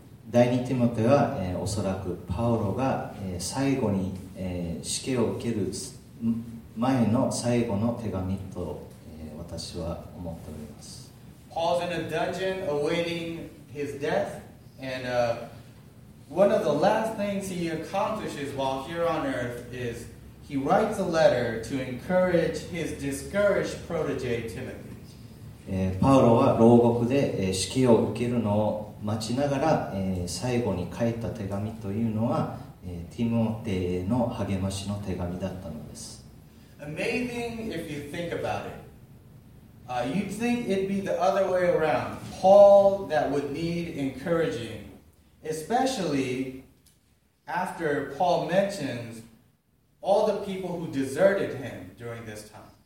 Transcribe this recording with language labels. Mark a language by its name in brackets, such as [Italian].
[Japanese] 第2ティモテは、おそらくパウロが、最後に、死刑を受ける前の最後の手紙と、私は思っております。 [English] Paul's in a dungeon awaiting his death, and one of the last things he accomplishes while here on earth is he writes a letter to encourage his discouraged protege Timothy. [Japanese] パウロは牢獄で、死刑を受けるのを待ちながら、最後に書いた手紙というのは、ティモテへの励ましの手紙だったのです。 [English] Amazing if you think about it. You'd think it'd be the other way around. Paul that would need encouraging. Especially after Paul mentions all the people who deserted him during this time.